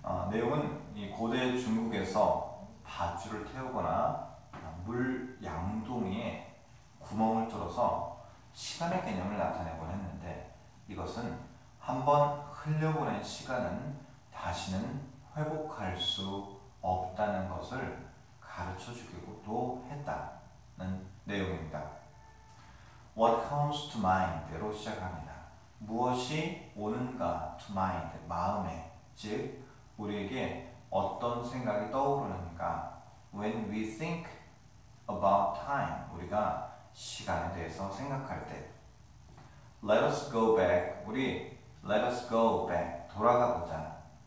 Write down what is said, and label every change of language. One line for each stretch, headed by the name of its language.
Korean: 내용은 고대 중국에서 밧줄을 태우거나 물 양동이에 구멍을 뚫어서 시간의 개념을 나타내곤 했는데 이것은 한번 흘려보낸 시간은 다시는 회복할 수 없다는 것을 가르쳐주기도 했다는 내용입니다.
English: What comes to mind
Korean: 로 시작합니다. 무엇이 오는가 to mind, 마음에, 즉 우리에게 어떤 생각이 떠오르는가.
English: When we think about time,
Korean: 우리가 시간에 대해서 생각할 때.
English: Let us go back,
Korean: 우리
English: let us go back,
Korean: 돌아가보자.